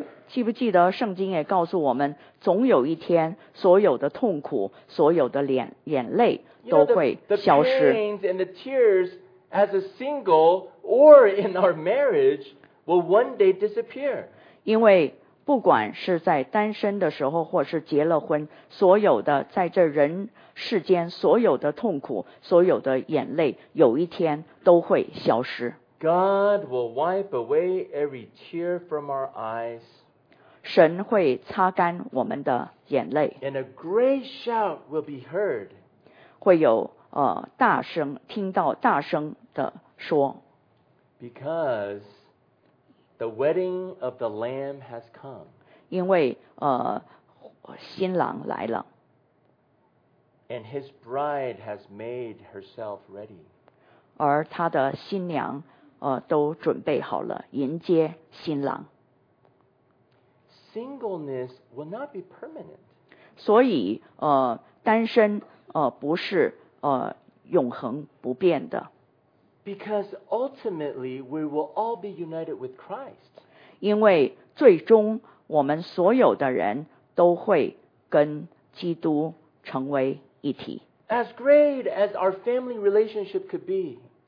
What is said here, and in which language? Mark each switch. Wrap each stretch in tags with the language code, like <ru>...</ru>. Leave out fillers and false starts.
<zh>记不记得圣经也告诉我们，总有一天，所有的痛苦、所有的眼泪都会消失。</zh> <en>The pains and the tears, as a single or in our marriage, will one day disappear.</en> <zh>因为不管是在单身的时候或是结了婚，所有的在这人世间所有的痛苦，所有的眼泪有一天都会消失。</zh> <en>God will wipe away every tear from our eyes.</en> <zh>神会擦干我们的眼泪。</zh> <en>And a great shout will be heard.</en> <zh>会有大声听到大声的说。</zh> <en>Because the wedding of the Lamb has come.</en> <zh>因为新郎来了。</zh> <en>And his bride has made herself ready.</en> <zh>而他的新娘都准备好了迎接新郎。</zh> <en>Singleness will not be permanent.</en> <zh>所以单身不是永恒不变的。</zh> <en>Because ultimately we will all be united with Christ.</en> <zh>因为最终我们所有的人都会跟基督成为一体。</zh> <en>As great as our family relationship could be.</en>